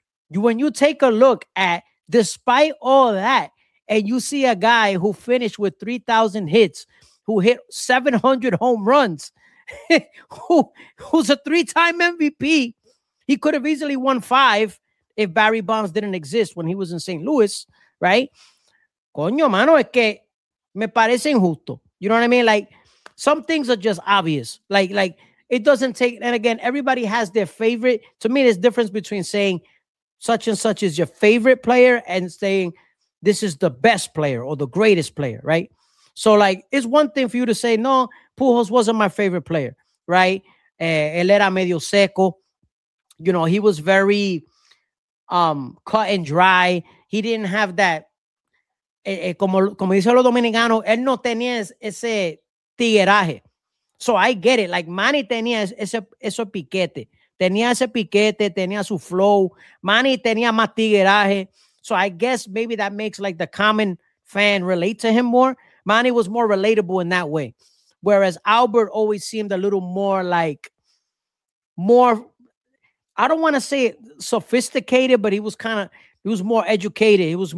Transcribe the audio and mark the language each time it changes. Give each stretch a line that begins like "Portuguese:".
English: When you take a look at, despite all that, and you see a guy who finished with 3,000 hits, who hit 700 home runs, who's a three-time MVP. He could have easily won five if Barry Bonds didn't exist when he was in St. Louis, right?
Spanish: Coño, mano, es que me parece injusto.
English: You know what I mean? Like, some things are just obvious. Like it doesn't take, and again, everybody has their favorite. To me, there's a difference between saying such and such is your favorite player and saying this is the best player or the greatest player, right? So, like, it's one thing for you to say, no, Pujols wasn't my favorite player, right? Él era medio seco. You know, he was very cut and dry. He didn't have that.
Spanish: Como dice los dominicanos, él no tenía ese tigueraje. So I get it. Like, Manny tenía ese piquete. Tenía ese piquete, tenía su flow. Manny tenía más tigueraje.
English: So I guess maybe that makes, like, the common fan relate to him more. Manny was more relatable in that way. Whereas Albert always seemed a little more, like, more, I don't want to say sophisticated, but he was more educated.